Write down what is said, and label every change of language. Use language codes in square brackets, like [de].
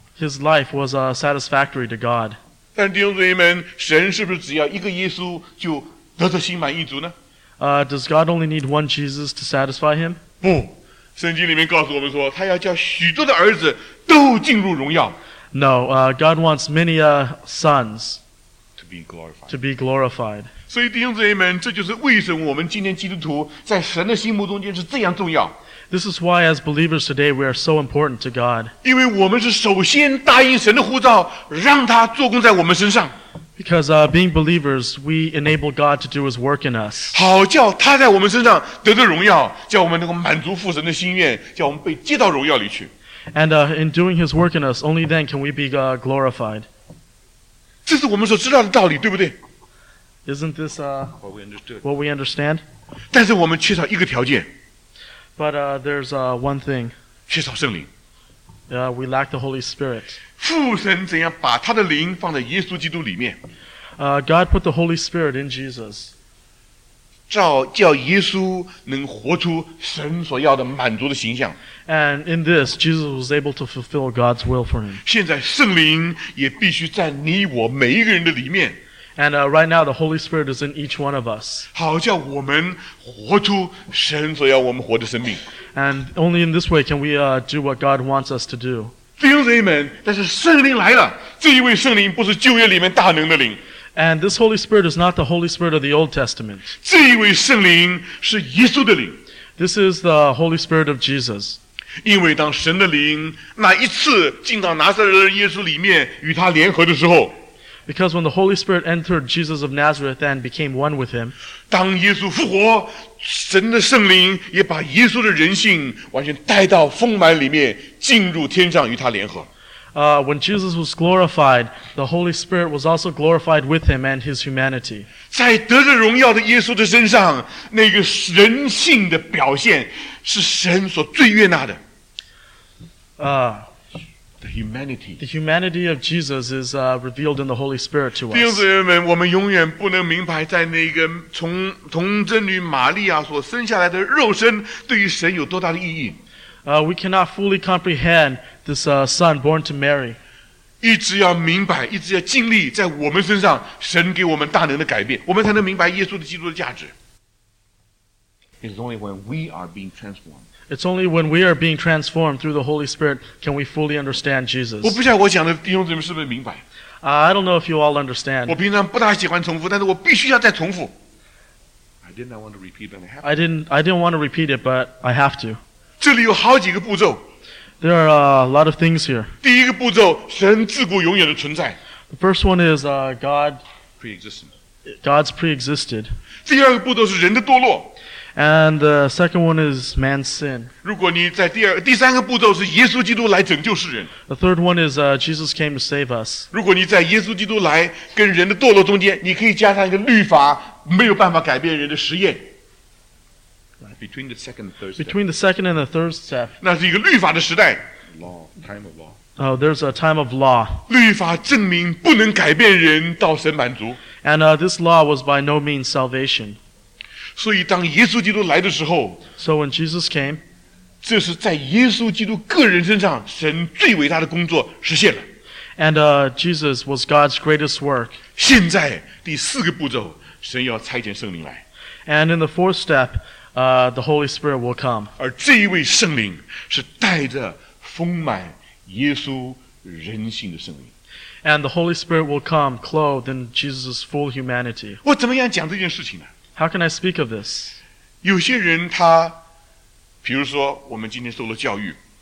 [en] His life was satisfactory to God. [zh] 但弟兄姊妹们，神是不是只要一个耶稣就得到心满意足呢？ [en] Does God only need one Jesus to satisfy him? [zh] 不，圣经里面告诉我们说，他要叫许多的儿子都进入荣耀。 [en] No, God wants many sons to be glorified. To be glorified. [zh] 所以弟兄姊妹们，这就是为什么我们今天基督徒在神的心目中间是这样重要。 [en] This is why, as believers today, we are so important to God. [zh] 因为我们是首先答应神的呼召，让他做工在我们身上。 [en] Because being believers, we enable God to do His work in us. [zh] 好叫他在我们身上得着荣耀，叫我们能够满足父神的心愿，叫我们被接到荣耀里去。 [en] And in doing His work in us, only then can we be glorified. 这是我们所知道的道理，对不对？ Isn't this what we understand? [zh] 但是我们缺少一个条件。 [en] But there's one thing. [zh] 缺少圣灵。 [en] We lack the Holy Spirit. [zh] 父神怎样把他的灵放在耶稣基督里面？ [en] God put the Holy Spirit in Jesus. [zh] 叫耶稣能活出神所要的满足的形象。 [en] And in this, Jesus was able to fulfill God's will for him. [zh] 现在圣灵也必须在你我每一个人的里面。 [en] And right now, the Holy Spirit is in each one of us. [zh] 好叫我们活出神所要我们活的生命。 [en] And only in this way can we do what God wants us to do. [zh] 弟兄姊妹们，但是圣灵来了，这一位圣灵不是旧约里面大能的灵。 [en] And this Holy Spirit is not the Holy Spirit of the Old Testament. [zh] 这一位圣灵是耶稣的灵。 [en] This is the Holy Spirit of Jesus. [zh] 因为当神的灵那一次进到拿撒勒人耶稣里面与他联合的时候。 [en] Because when the Holy Spirit entered Jesus of Nazareth and became one with him, [zh] 当耶稣复活，神的圣灵也把耶稣的人性完全带到丰满里面，进入天上与他联合。 [en] When Jesus was glorified, the Holy Spirit was also glorified with him and his humanity. [zh] 在得着荣耀的耶稣的身上，那个人性的表现是神所最悦纳的。 [en] The humanity of Jesus is revealed in the Holy Spirit to us. [zh] 弟兄姊妹们，我们永远不能明白，在那个从贞女玛利亚所生下来的肉身，对于神有多大的意义。 [en] We cannot fully comprehend this son born to Mary. [zh] 一直要明白，一直要经历，在我们身上，神给我们大能的改变，我们才能明白耶稣的基督的价值。 [en] It's only when we are being transformed. It's only when we are being transformed through the Holy Spirit can we fully understand Jesus. [zh] 我不知道我讲的弟兄姊妹是不是明白。 [en] I don't know if you all understand. [zh] 我平常不大喜欢重复，但是我必须要再重复。 [en] I did not want to repeat, but I have to. I didn't want to repeat it, but I have to. [zh] 这里有好几个步骤。 [en] There are a lot of things here. [zh] 第一个步骤，神自古永远的存在。 [en] The first one is God. Pre-existent. God's pre-existed. [zh] 第二个步骤是人的堕落。 [en] And the second one is man's sin. [zh] 如果你在第三个步骤是耶稣基督来拯救世人。 [en] The third one is Jesus came to save us. [zh] 如果你在耶稣基督来跟人的堕落中间，你可以加上一个律法，没有办法改变人的实验。 [en] Between the second and the third step. [zh] 那是一个律法的时代。 [en] Law, time of law. Oh, there's a time of law. [zh] 律法证明不能改变人到神满足。 [en] And this law was by no means salvation. [zh] 所以当耶稣基督来的时候 [en] So when Jesus came [zh] 这是在耶稣基督个人身上神最伟大的工作实现了 [en] And Jesus was God's greatest work [zh] 现在第四个步骤神要差遣圣灵来 [en] And in the fourth step the Holy Spirit will come [zh] 而这一位圣灵是带着丰满耶稣人性的圣灵 [en] And the Holy Spirit will come clothed in Jesus' full humanity [zh] 我怎么样讲这件事情呢 [en] How can I speak of this? [zh] 有些人他，比如说我们今天受了教育。